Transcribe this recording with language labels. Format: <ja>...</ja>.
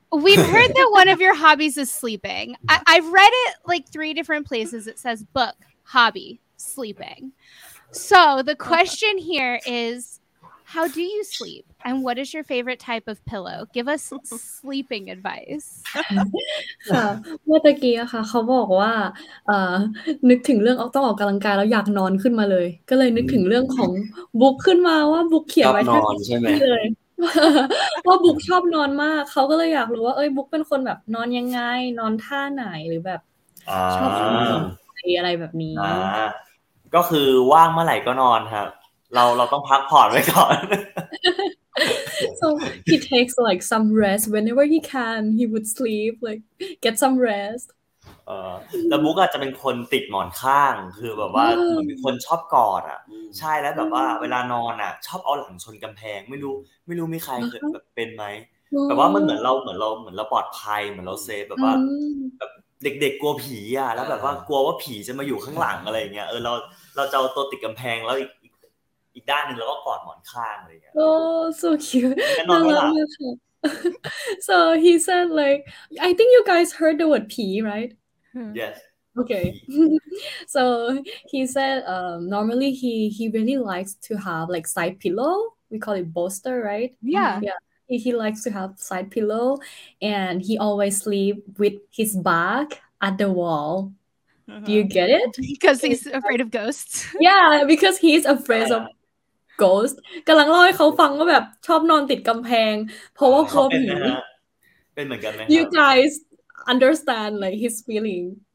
<en>we've heard that one of your hobbies is sleeping I've read it like three different places it says book hobby sleeping so the question here is how do you sleepAnd what is your favorite type of pillow? Give us sleeping advice.</en> <th>ค่ะเมื่อกี้อะค่ะเขาบอกว่านึกถึงเรื่องต้องออกกำลังกายแล้วอยากนอนขึ้นมาเลยก็เลยนึกถึงเรื่องของบุ๊กขึ้นมาว่าบุ๊กเขียนไว้ ชอบนอนใช่ไหม เลยว่าบุ๊กชอบนอนมากเขาก็เลยอยากรู้ว่าเอ้ยบุ๊กเป็นคนแบบนอนยังไงนอนท่าไหนหรือแบบชอบนอนอะไรแบบนี้ก็คือว่างเมื่อไหร่ก็นอนครับเราต้องพักผ่อนไว้ก่อน</th> <en>So he takes like some rest whenever he can. He would sleep like get some rest.</en> <th>แล้วบุ๊กอาจจะเป็นคนติดหมอนข้างคือแบบว่าเหมือนมีคนชอบกอดอ่ะใช่แล้วแบบว่าเวลานอนอ่ะชอบเอาหลังชนกำแพงไม่รู้มีใครเคยแบบเป็นไหมแต่ว่ามันเหมือนเราปลอดภัยเหมือนเราเซฟแบบว่าแบบเด็กๆกลัวผีอ่ะแล้วแบบว่ากลัวว่าผีจะมาอยู่ข้างหลังอะไรเงี้ยเราจะเอาตัวติดกำแพงแล้วีกด้านนึงแล้วก็กอดหมอนข้างอะไรอย่าง เงี้ยโอ้</th> <en>so cute</en> <th>น่ารักมาก</th> <en>So he said, like, I think you guys heard the word pee, right? Yes. Okay. So he said, normally he really likes to have like side pillow. We call it bolster, right? Yeah. Yeah. He likes to have side pillow, and he always sleep with his back at the wall. Uh-huh. Do you get it? Because he's afraid of ghosts. Yeah, because he's afraid of.</en> <th>Ghost กำลังเล่าให้เขาฟังว่าแบบชอบนอนติดกำแพงเพราะว่าเขาผี เป็นเหมือนกันไหม</th> <en>You guys understand like his feeling</en>